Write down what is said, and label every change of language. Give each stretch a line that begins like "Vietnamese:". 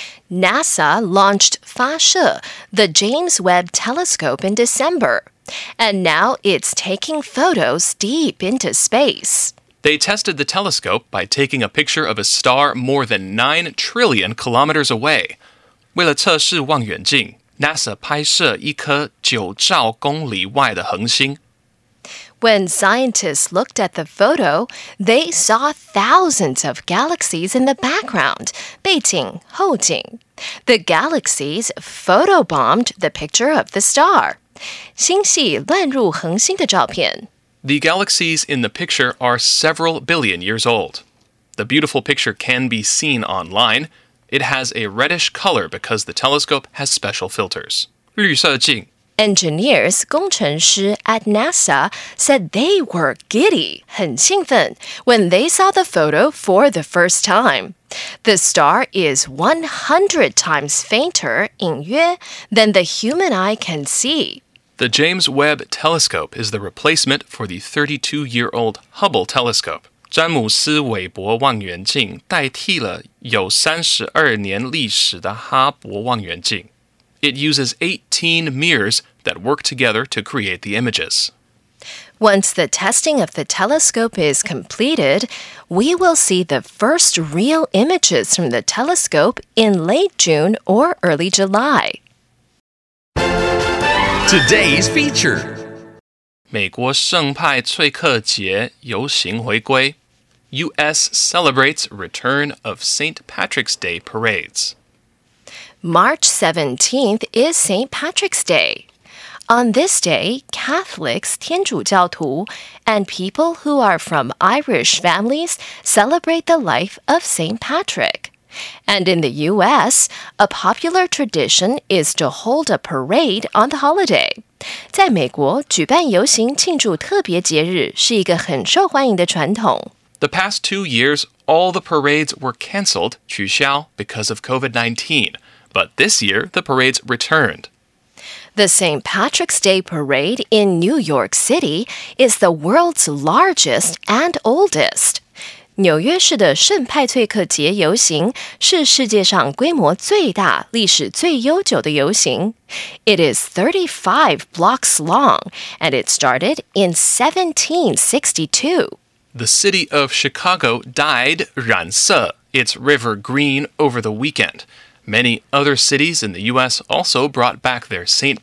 English: NASA launched FASHE, the James Webb Telescope, in December. And now it's taking photos deep into space. They tested the telescope by taking a picture of a star more than 9 trillion kilometers away.
Chinese: 为了测试望远镜, NASA 拍摄一颗9兆公里外的恒星。
English: When scientists looked at the photo, they saw thousands of galaxies in the background, 背景、后景。 The galaxies photobombed the picture of the star.
Chinese: 星系乱入恒星的照片。
English: The galaxies in the picture are several billion years old. The beautiful picture can be seen online. It has a reddish color because the telescope has special filters.
Chinese: 绿色镜。
English: Engineers, 工程师 at NASA said they were giddy, 很兴奋, when they saw the photo for the first time. The star is 100 times fainter, 隐约, than the human eye can see. The James Webb Telescope is the replacement for the 32-year-old Hubble Telescope.
Chinese: 詹姆斯·韦伯望远镜代替了有32年历史的哈勃望远镜。
English: It uses 18 mirrors that work together to create the images. Once the testing of the telescope is completed, we will see the first real images from the telescope in late June or early July. Today's feature.
Chinese: 美国圣派崔克节游行回归。
English: U.S. celebrates return of St. Patrick's Day parades. March 17th is St. Patrick's Day. On this day, Catholics, 天主教徒, and people who are from Irish families celebrate the life of St. Patrick. And in the U.S., a popular tradition is to hold a parade on the holiday.
Chinese: 在美国,举办游行庆祝特别节日是一个很受欢迎的传统。
English: The past 2 years, all the parades were canceled, 取消, because of COVID-19. But this year, the parades returned. The St. Patrick's Day Parade in New York City is the world's largest and oldest.
Chinese: 纽约市的圣派翠克节游行是世界上规模最大、历史最悠久的游行。
English: It is 35 blocks long, and it started in 1762. The city of Chicago dyed 染色 its river green over the weekend. Many other cities in the U.S. also brought back their St.